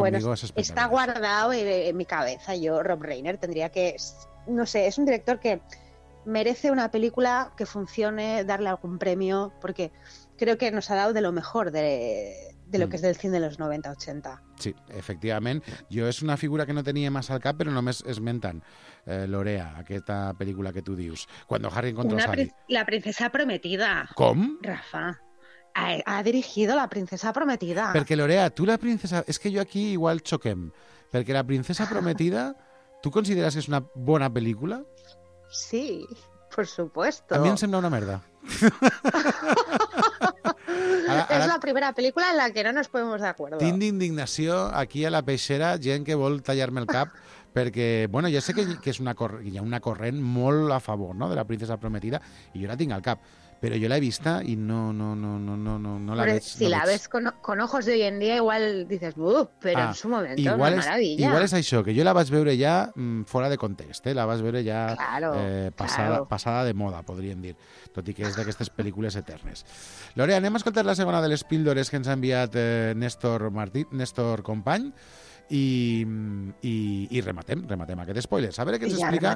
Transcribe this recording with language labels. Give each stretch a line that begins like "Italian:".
Spanish: buenos, conmigo, es está guardado en mi cabeza. Yo, Rob Reiner, tendría que, no sé, es un director que merece una película que funcione, darle algún premio, porque creo que nos ha dado de lo mejor de lo que es del cine de los 90-80.
Catalan: Sí, efectivament. Jo és una figura que no tenia massa al cap, però només esmenten Lorea, aquesta pel·lícula que tu dius.
Spanish: Cuando Harry encontró Sally. La princesa prometida.
Catalan: Com?
Spanish: Rafa. Ha dirigido La princesa prometida.
Catalan: Perquè Lorea, tu la princesa... És que jo aquí igual choquem. Perquè La princesa prometida, tu consideres que és una bona pel·lícula?
Spanish: Sí, por supuesto.
Catalan: A mi em sembla una merda. Ara, és la primera pel·lícula en la que no
Spanish: nos podemos de acuerdo.
Catalan: Tinc d'indignació aquí a la peixera, gent que vol tallar-me el cap perquè, bueno, ja sé que és una hi ha una corrent molt a favor, no?, de la princesa prometida, i jo la tinc al cap, però jo l'he vista i no la veig.
Spanish: Si la ves con ojos de hoy en día, igual dices, però en su momento, igual una maravilla.
Catalan: Igual és això, que jo la vaig veure ja fora de context, la vaig veure ja passada de moda, podríem dir, tot i que és d'aquestes pel·lícules eternes. Lore, anem a escoltar la segona de les píldores que ens ha enviat Néstor Martí, Néstor Company, i rematem aquest spoiler. A veure què ens explica.